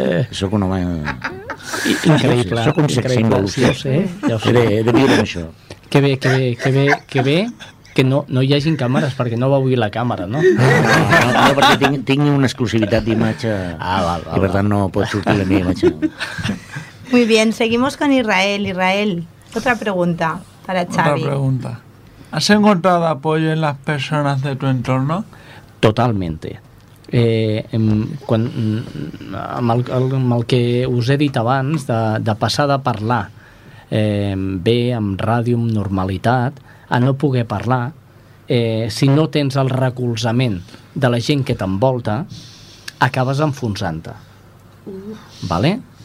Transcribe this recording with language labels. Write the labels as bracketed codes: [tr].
[ca] Sóc un home... Increïble. Sóc un sexe involució. Sí, he de viure amb això. Que bé, que bé, que bé, que bé. Que no, no hi hagin càmeres, perquè no va obrir la càmera, no? No, no, no, perquè tinc una exclusivitat d'imatge. Ah, val, val. I per tant no pot sortir la meva imatge. [es] Muy bien, seguimos con Israel. Israel, otra pregunta para Xavi. Otra pregunta. ¿Has encontrado apoyo en las personas de tu entorno? Totalmente. [ca] Amb el que us he dit abans, de passar de parlar bé, amb ràdio, amb normalitat, a no poder parlar, si no tens el recolzament de la gent que t'envolta, acabes enfonsant-te. Vale?